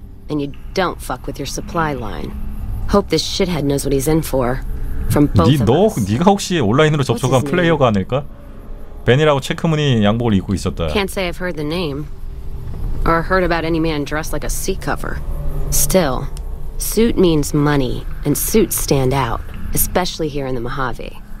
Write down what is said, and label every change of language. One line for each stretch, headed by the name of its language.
English: And you don't fuck with your supply line. Hope this shithead knows what he's in for. From both of us.
Korean: 네가 혹시 온라인으로 접속한 플레이어가 아닐까? 벤이라고 체크무늬 양복을 입고 있었다.
English: Can't say I've heard the name. Or heard about any man dressed like a sea cover. Still, suit means money, and suits stand out, especially here in the Mojave.